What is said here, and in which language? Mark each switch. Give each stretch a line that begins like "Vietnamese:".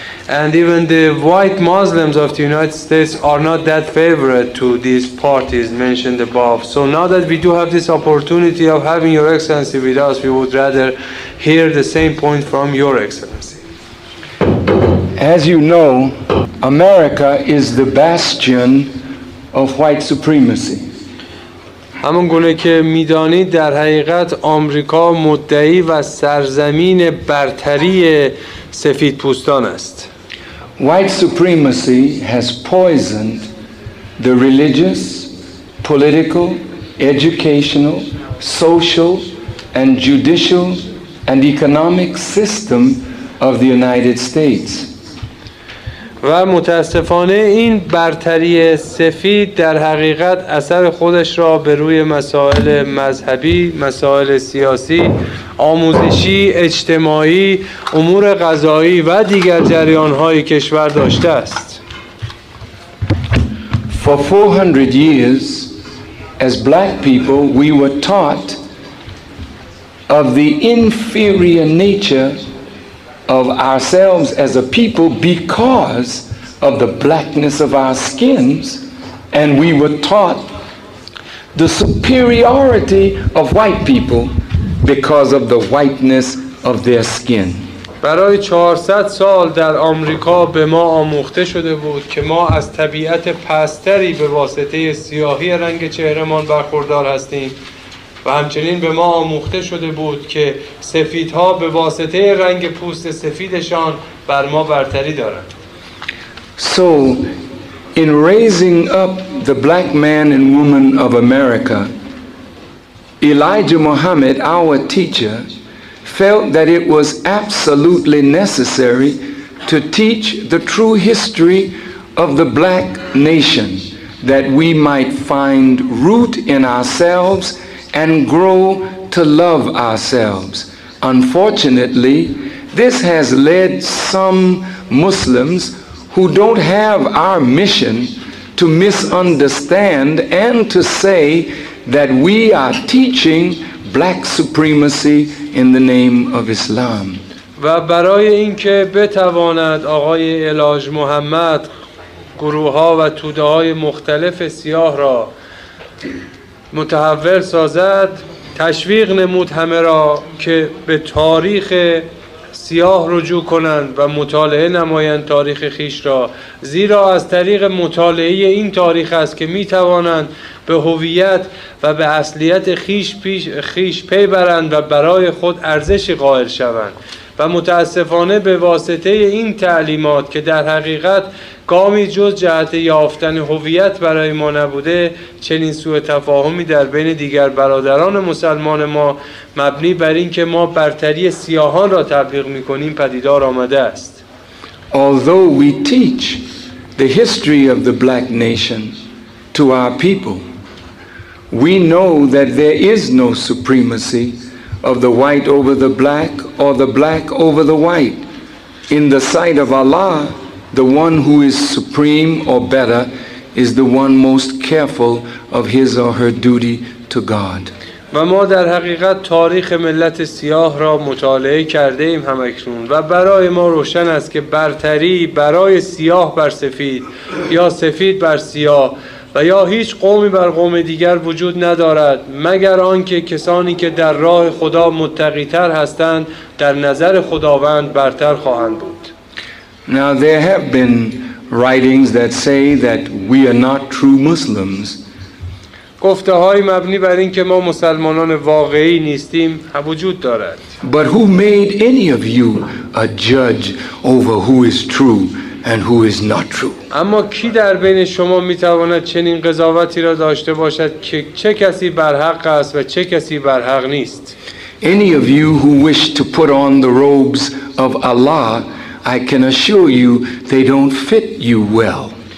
English: And even the white Muslims of the United States are not that favorite to these parties mentioned above. So now that we do have this opportunity of having Your Excellency with us, we would rather hear the same point from Your Excellency. As you know, America is the bastion of white supremacy.
Persian: همون گونه که میدانید در حقیقت آمریکا مدعی و سرزمین برتری سفیدپوستان است.
English: White supremacy has poisoned the religious, political, educational, social, and judicial and economic system of the United States.
Persian: و متاسفانه این برتری سفید در حقیقت اثر خودش را به روی مسائل مذهبی، مسائل سیاسی، آموزشی، اجتماعی، امور قضایی و دیگر جریان‌های کشور داشته است.
English: For 400 years as black people we were taught of the inferior nature of ourselves as a people because of the blackness of our skins, and we were taught the superiority of white people because of the whiteness of their skin.
Persian: برای 400 سال در آمریکا به ما آموخته شده بود که ما از طبیعت پستری به واسطه سیاهی رنگ چهرمان برخوردار هستیم. و همچنین به ما آموخته شده بود که سفیدها به واسطه رنگ پوست سفیدشان بر ما برتری دارند.
English: So, in raising up the black man and woman of America, Elijah Muhammad, our teacher, felt that it was absolutely necessary to teach the true history of the black nation, that we might find root in ourselves and grow to love ourselves. Unfortunately, this has led some Muslims who don't have our mission to misunderstand and to say that we are teaching black supremacy in the name of Islam.
Persian: و برای اینکه بتواند آقای الهاج محمد گروه‌ها و توده‌های مختلف سیاه را متحول سازد، تشویق نمود همه را که به تاریخ سیاه رجوع کنند و مطالعه نمایند تاریخ خیش را، زیرا از طریق مطالعه این تاریخ است که می توانند به هویت و به اصلیت خیش پی برند و برای خود ارزش قائل شوند. و متاسفانه به واسطه این تعلیمات که در حقیقت گامی جز جهت یافتن هویت برای ما نبوده، چنین سوء تفاهمی در بین دیگر برادران مسلمان ما مبنی بر این که ما برتری سیاهان را تبلیغ می‌کنیم پدیدار آمده است.
English: Although we teach the history of the black nation to our people, we know that there is no supremacy of the white over the black or the black over the white. In the sight of Allah, the one who is supreme or better is the one most careful of his or her duty to God.
Persian: و ما در حقیقت تاریخ ملت سیاه را مطالعه کرده ایم هم اکنون و برای ما روشن است که برتری برای سیاه بر سفید یا سفید بر سیاه و یا هیچ قومی بر قوم دیگر وجود ندارد مگر آنکه کسانی که در راه خدا متقی تر هستند در نظر خداوند برتر خواهند بود.
English: Now there have been writings that say that we are not true Muslims.
Persian: گفته‌های مبنی بر این که ما مسلمانان واقعی نیستیم وجود دارد.
English: But who made any of you a judge over who is true and who is not true?
Persian: اما کی در بین شما میتواند چنین قضاوتی را داشته باشد که چه کسی برحق است و چه کسی برحق نیست؟
English: Any of you who wish to put on the robes of Allah, I can assure you they don't fit you well.